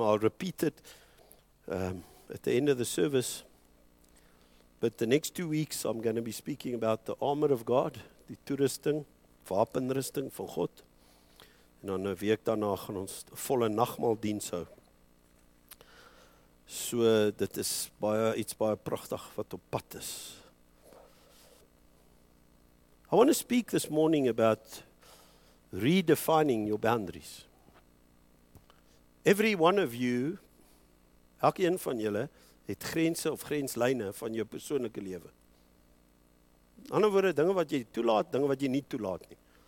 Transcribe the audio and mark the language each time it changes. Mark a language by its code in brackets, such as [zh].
[en] I'll repeat it at the end of the service, but the next 2 weeks, I'm going to be speaking about the armor of God, [af] die toerusting, wapenrusting van God, en dan 'n week daarna gaan ons volle nagmaal dien sou. So, dit is baie, iets baie prachtig wat op pad is. [en] I want to speak this morning about redefining your boundaries. Every one of you, [af] elke een van julle, het grense of grenslyne van jou persoonlike lewe. Ander woorde, dinge wat jy toelaat, dinge wat jy nie toelaat nie.